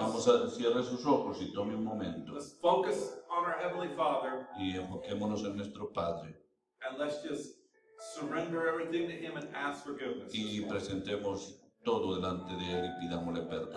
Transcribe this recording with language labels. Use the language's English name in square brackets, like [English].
[Spanish] Vamos a cerrar sus ojos y tome un momento. [English] Let's focus on our Heavenly Father. [Spanish] Y enfoquémonos en nuestro Padre. [English] And let's just surrender everything to Him and ask forgiveness. [Spanish] Y presentemos todo delante de Él y pidámosle perdón.